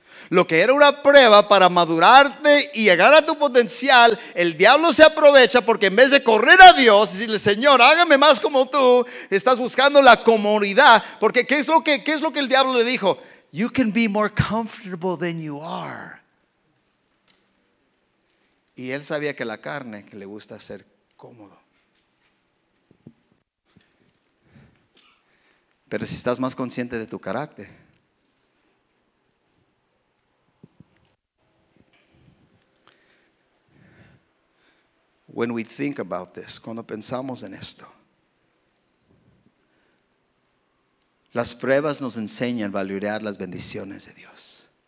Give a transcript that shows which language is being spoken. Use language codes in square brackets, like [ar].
[es] Lo que era una prueba para madurarte y llegar a tu potencial, el diablo se aprovecha porque en vez de correr a Dios y decirle: Señor, hágame más como tú, estás buscando la comodidad. Porque ¿qué es lo que el diablo le dijo? [en] You can be more comfortable than you are. [es] Y él sabía que la carne que le gusta ser cómodo. Pero si estás más consciente de tu carácter, [en] when we think about this, [es] cuando pensamos en esto, las pruebas nos enseñan a valorar las bendiciones de Dios.